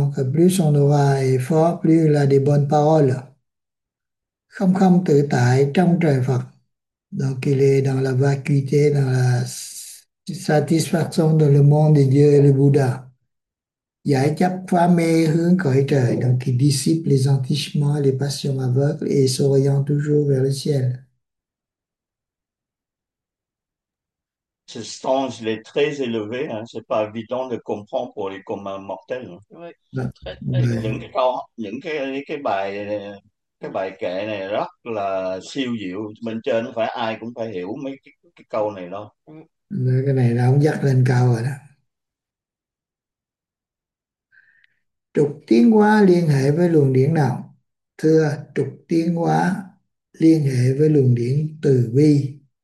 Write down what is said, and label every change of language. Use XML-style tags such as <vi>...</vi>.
<fr>Donc plus son aura est fort, plus il a des bonnes paroles.</fr> <vi>Không không tự tại trong trời Phật.</vi> <fr>Donc il est dans la vacuité, dans la satisfaction dans le monde de Dieu et le Bouddha.</fr> <vi>Giải chấp phá mê hướng cõi trời.</vi> <fr>Donc il dissipe les entichements, les passions aveugles et s'oriente toujours vers le ciel. Ce sens, il est très élevé, hein. C'est pas évident de comprendre pour les communs mortels. Oui, très, très.</fr> <vi>Những cái bài kệ này rất là siêu diệu. Bên trên không phải ai cũng phải hiểu mấy cái câu này đâu. Cái này là ông dắt lên cao rồi đó. Trục tiến hóa liên hệ với luồng điển nào? Thưa, trục tiến hóa liên hệ với luồng điển từ bi.</vi>